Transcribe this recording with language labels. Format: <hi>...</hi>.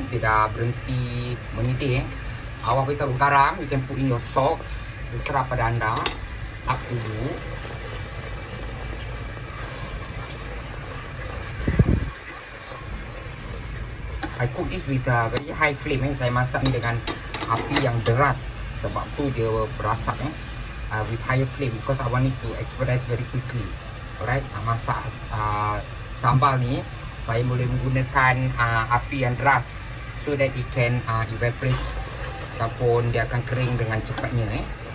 <ms>Dia dah berhenti menitik eh. Awak boleh taruh garam.</ms> <en>You can put in your salt.</en> <ms>Terserah pada anda. Aku dulu.</ms> <en>I I cook this with a very high flame.</en> <ms>Saya masak ni dengan api yang deras. Sebab tu dia berasap eh.</ms> <en>With higher flame. Because I want it to expedite very quickly.</en> <ms>Alright. Masak sambal ni. Saya boleh menggunakan api yang deras.</ms> <en>So that it can evaporate.</en> <ms>Ataupun dia akan kering dengan cepatnya eh.</ms>